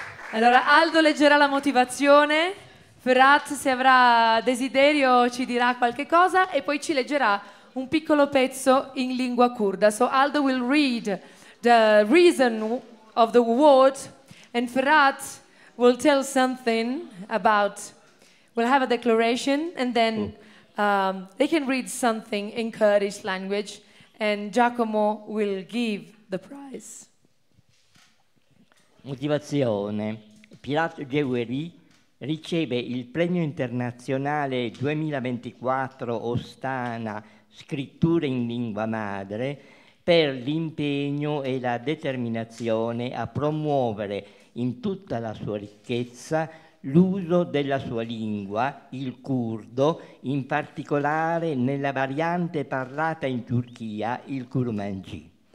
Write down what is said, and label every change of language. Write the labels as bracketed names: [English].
[Italian] Allora Aldo leggerà la motivazione. Ferrat, se avrà desiderio, ci dirà qualche cosa e poi ci leggerà un piccolo pezzo in lingua curda. [English] So Aldo will read the reason of the award and Ferrat will tell something about, will have a declaration and then they can read something in Kurdish language and Giacomo will give the prize. [Italian] Motivazione. Ferrat Jogueri riceve il premio internazionale 2024 Ostana Scrittura in Lingua Madre per l'impegno e la determinazione a promuovere in tutta la sua ricchezza l'uso della sua lingua, il curdo, in particolare nella variante parlata in Turchia, il Kurmanji.